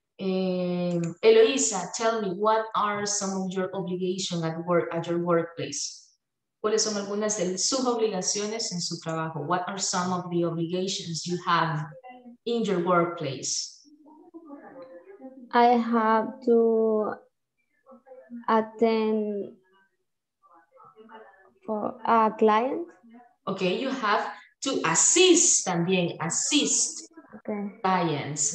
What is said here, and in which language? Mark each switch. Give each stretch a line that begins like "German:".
English: Eloisa, tell me, what are some of your obligations at work, at your workplace?
Spanish: ¿Cuáles son algunas de sus obligaciones en su trabajo?
English: What are some of the obligations you have in your workplace? I have to attend for a client. Okay, you have to assist también, assist okay. clients.